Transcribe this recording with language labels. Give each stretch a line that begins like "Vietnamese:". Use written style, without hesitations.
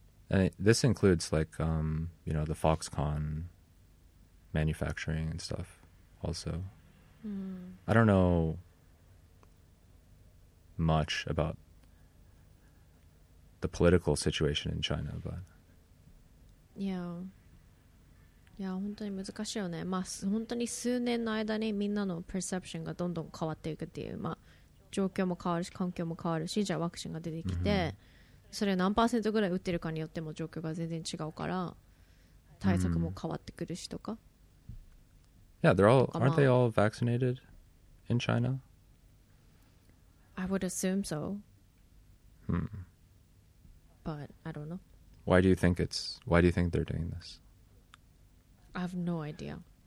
English: And this includes, like, you know, the Foxconn manufacturing and stuff also. I don't know much about the political situation in China, but... Yeah. Yeah,
Japanese: 本当に難しいよね。まあ、本当に数年の間にみんなのペーセプションがどんどん変わっていくっていう。まあ、状況も変わるし、環境も変わるし、じゃあワクチンが出てきて、それ何パーセントぐらい打ってるかによっても状況が全然違うから対策も変わってくるしとか。
English: Yeah, they're all, aren't they all vaccinated in China? I would assume so. But I don't know. Why do you think they're doing this? I have no idea.